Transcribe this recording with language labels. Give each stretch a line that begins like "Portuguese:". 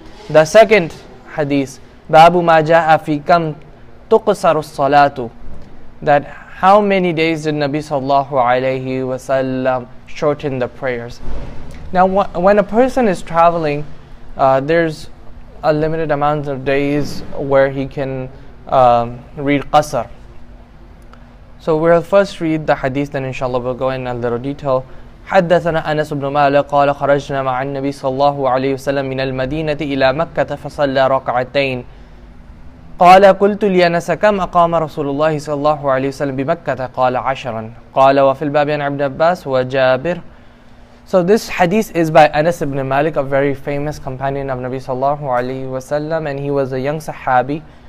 English: The second hadith, Babu ma ja'a fi kam tuqsaru salatu, that how many days did Nabi sallallahu alayhi wa sallam shorten the prayers? Now when a person is traveling, there's a limited amount of days where he can read Qasr. So we'll first read the hadith, then inshallah we'll go in a little detail.
Arabic: حدثنا أنس بن مالك قال خرجنا مع النبي صلى الله عليه وسلم من المدينة إلى مكة فصلى ركعتين قال قلت لأنس كم أقام رسول الله صلى الله عليه وسلم بمكة قال عشرا قال وفي الباب عن ابن عباس وجابر.
English: So this hadith is by Anas ibn Malik, a very famous companion of Nabi sallallahu alayhi wa sallam, and he was a young sahabi.